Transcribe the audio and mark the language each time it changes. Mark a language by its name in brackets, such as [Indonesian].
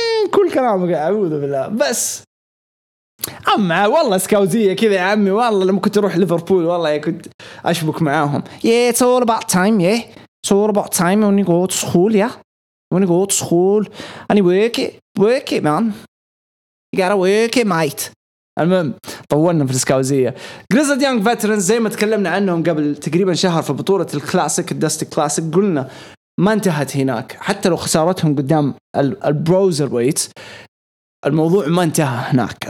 [Arabic] كل كلامه قاعد أعوذ بالله. بس أما والله سكاوزية كذا يا عمي والله لما كنت أروح ليفربول والله كنت أشبك معاهم. [English] Yeah, it's all about time. Yeah, it's all about time when you go to school. Yeah. When you go to school and you work it, man. You gotta work it, mate. [Arabic] المهم طولنا في السكاوزية. Grizzled Young Veterans زي ما تكلمنا عنهم قبل تقريبا شهر في بطولة الكلاسيك الدستي كلاسيك قلنا ما انتهت هناك. حتى لو خسارتهم قدام البروزر ويت الموضوع ما انتهى هناك.